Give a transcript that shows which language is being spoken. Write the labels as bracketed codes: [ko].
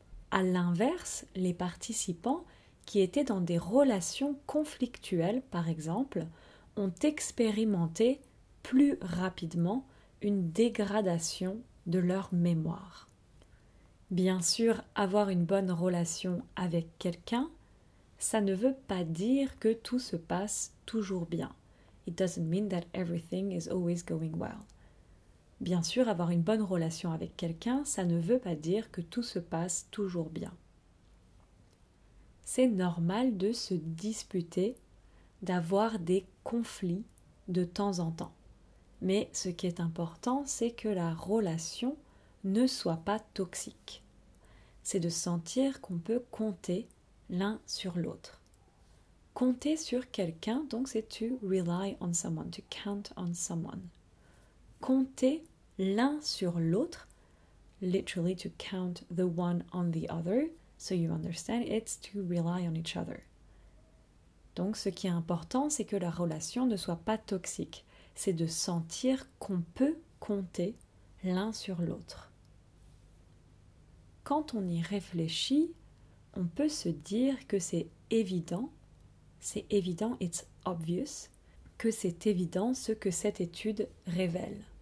[fr] À l'inverse, les participants qui étaient dans des relations conflictuelles, par exemple, ont expérimenté plus rapidement une dégradation de leur mémoire. Bien sûr, avoir une bonne relation avec quelqu'un, ça ne veut pas dire que tout se passe toujours bien. [en] It doesn't mean that everything is always going well. [fr] Bien sûr, avoir une bonne relation avec quelqu'un, ça ne veut pas dire que tout se passe toujours bien. C'est normal de se disputer, d'avoir des conflits de temps en temps. Mais ce qui est important, c'est que la relation ne soit pas toxique. C'est de sentir qu'on peut compter l'un sur l'autre. Compter sur quelqu'un, donc c'est [en] to rely on someone, to count on someone. [fr] Compter l'un sur l'autre, [en] literally to count the one on the other, so you understand, it's to rely on each other. [fr] Donc ce qui est important, c'est que la relation ne soit pas toxique, c'est de sentir qu'on peut compter l'un sur l'autre. Quand on y réfléchit, on peut se dire que c'est évident, [en] it's obvious, [fr] que c'est évident ce que cette étude révèle.